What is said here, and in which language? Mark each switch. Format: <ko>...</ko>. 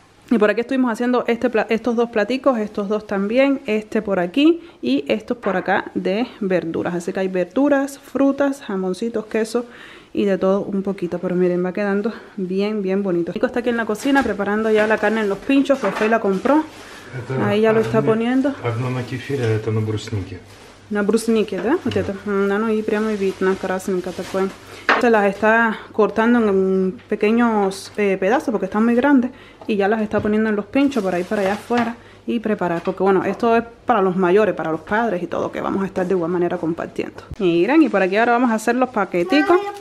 <es>Y por aquí estuvimos haciendo estos dos platicos, estos dos también, este por aquí y estos por acá de verduras. Así que hay verduras, frutas, jamoncitos, queso y de todo un poquito. Pero miren, va quedando bien, bien bonito. Nico está aquí en la cocina preparando ya la carne en los pinchos, que fue y la compró. Ahí ya lo está poniendo.</es> <ru>Одно на кефире, это на бруснике. На бруснике, да? Вот это. На ну и прямо видно, красненько такое.</ru> <es>Se las está cortando en pequeños pedazos porque están muy grandes y ya las está poniendo en los pinchos por ahí para allá afuera y preparar, porque bueno, esto es para los mayores, para los padres y todo, que vamos a estar de igual manera compartiendo. Miren, y por aquí ahora vamos a hacer los paqueticos.</es>